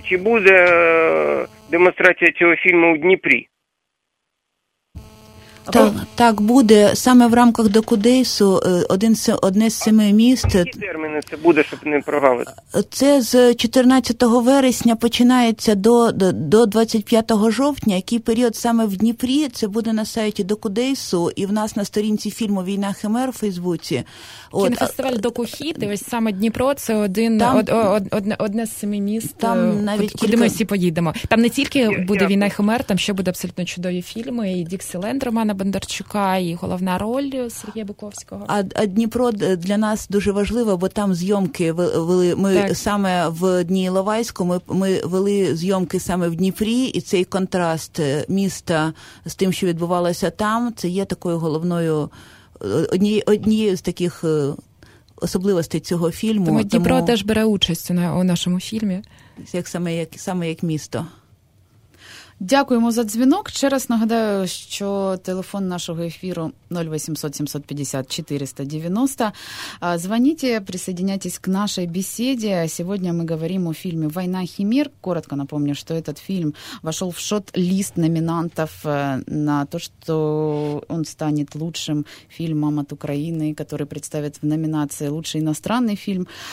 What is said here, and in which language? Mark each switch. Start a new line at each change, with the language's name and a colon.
Ukrainian: Чи буде демонстрація цього фільму у Дніпрі? Так, буде. Саме в рамках Doku Days одне з семи міст. А які терміни це буде, щоб не провалити? Це з 14 вересня починається до 25 жовтня. Який період саме в Дніпрі? Це буде на сайті Doku Days і в нас на сторінці фільму «Війна химер» в Фейсбуці. Кінофестиваль Doku Hit, і ось саме Дніпро – це одне з семи міст, там навіть куди ми всі поїдемо. Там не тільки буде «Війна химер», там ще буде абсолютно чудові фільми, і Діксі Лендро Романа Бондарчука і головна роль Сергія Буковського. А Дніпро для нас дуже важливо, бо там зйомки вели. Ми так. Саме в Дні Іловайську ми вели зйомки саме в Дніпрі, і цей контраст міста з тим, що відбувалося там, це є такою головною, однією з таких особливостей цього фільму. Тому Дніпро теж бере участь у нашому фільмі. Як саме місто. Дякуємо за дзвінок. Ще раз нагадаю, що телефон нашого ефіру 0800 750 490.
Russian: Звоніть, присоединяйтесь к нашей беседе. Сегодня мы говорим о фильме «Война химер». Коротко напомню, что этот фильм вошел в шот-лист номинантов на то, что он станет лучшим фильмом от Украины, который представят в номинации «Лучший иностранный фильм».